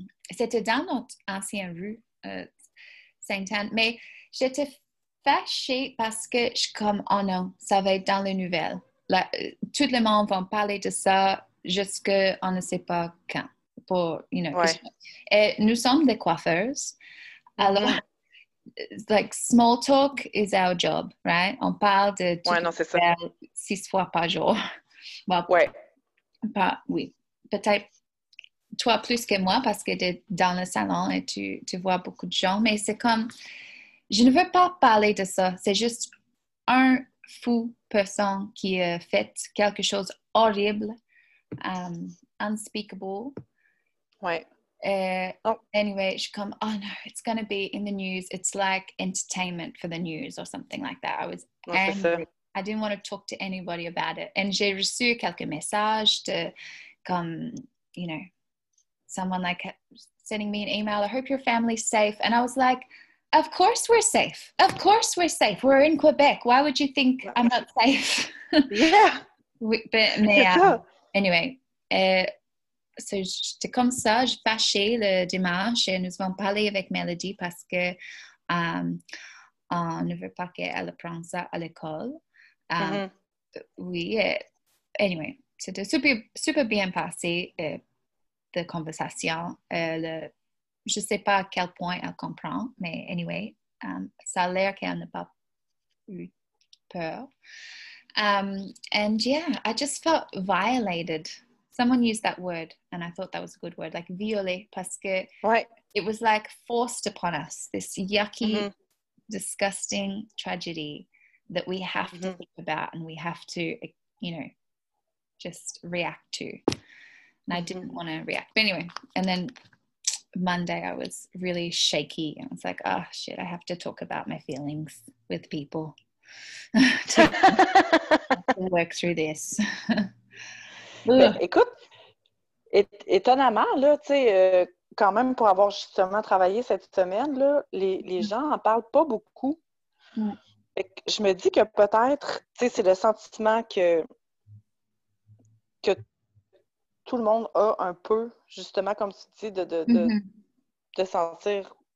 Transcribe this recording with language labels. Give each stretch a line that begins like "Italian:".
French: C'était dans notre ancienne rue, Sainte-Anne. Mais j'étais fâchée parce que je suis comme, oh non, ça va être dans les nouvelles. Là, tout le monde va parler de ça jusqu'à on ne sait pas quand.
English: Pour, you know,
French: ouais. Et nous sommes des coiffeurs.
English: Alors, like small talk is our job, right?
French: On parle de tout ouais, non, c'est ça. 6 fois par jour. Well, ouais. Pas, oui. Peut-être toi plus que moi parce que tu es dans le salon et tu vois beaucoup de gens, mais c'est comme, je ne veux pas parler de ça. C'est juste un fou personne qui a fait quelque chose horrible, unspeakable. Ouais.
English: Anyway,
French: je suis comme,
English: oh no, it's going to be in the news. It's like entertainment for the news or something like that. I was angry. I didn't want to talk to anybody about it. And
French: j'ai reçu quelques messages de, comme,
English: you know, someone like sending me an email. I hope your family's safe. And I was like, of course we're safe. Of course we're safe. We're in Quebec. Why would you think I'm not safe? Yeah. But anyway, so
French: c'était comme ça, je suis fâchée le dimanche et nous avons parlé avec Mélodie parce que on ne veut pas qu'elle apprenne ça à l'école. Oui, anyway, c'était super, super bien passé la conversation. Je ne sais pas à quel point elle comprend, mais anyway, ça a l'air qu'elle n'a pas eu peur.
English: And yeah, I just felt violated. Someone used that word, and I thought that was a good word, like violé,
French: parce que
English: right. It was like forced upon us, this yucky, mm-hmm. disgusting tragedy that we have mm-hmm. to think about and we have to, you know, just react to. And I didn't want to react. But anyway, and then Monday I was really shaky. I was like, oh, shit, I have to talk about my feelings with people to work through this.
French: Ben, écoute, étonnamment, là, tu sais, quand même pour avoir justement travaillé cette semaine, là, les gens n'en parlent pas beaucoup. Fait que je me dis que peut-être, tu sais, c'est le sentiment que tout le monde a un peu, justement, comme tu dis, de sentir.